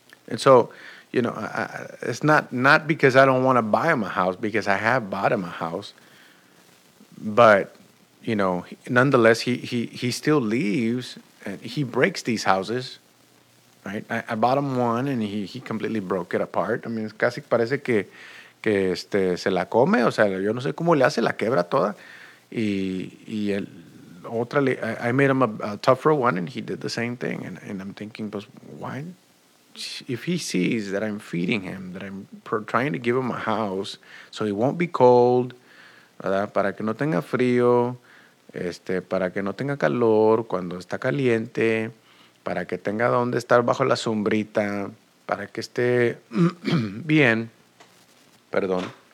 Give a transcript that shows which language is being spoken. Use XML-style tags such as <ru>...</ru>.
<en>And so, you know, it's not because I don't want to buy him a house, because I have bought him a house. But, you know, nonetheless, he still leaves and he breaks these houses, right? I bought him one and he completely broke it apart. I mean, it's</en> <es>casi parece que se la come. O sea, yo no sé cómo le hace, la quebra toda.</es> <en>I made him a tougher one and he did the same thing. And I'm thinking, but why? If he sees that I'm feeding him, that I'm trying to give him a house so he won't be cold, ¿verdad?</en> <es>Para que no tenga frío, para que no tenga calor cuando está caliente, para que tenga donde estar bajo la sombrita, para que esté bien, perdón.</es>